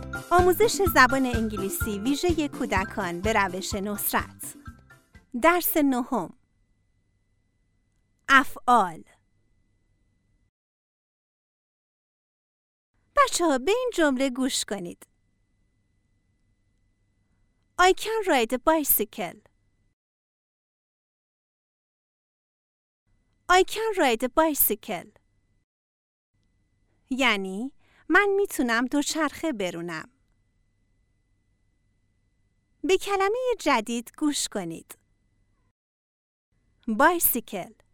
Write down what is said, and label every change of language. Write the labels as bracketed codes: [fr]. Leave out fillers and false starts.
[fa] آموزش زبان انگلیسی ویژه کودکان به روش نصرت. درس نهم. افعال. بچه ها به این جمله گوش کنید. [en] I can ride a bicycle. I can ride a bicycle. [fa] یعنی من میتونم دوچرخه برونم. به کلمه جدید گوش کنید. بایسیکل.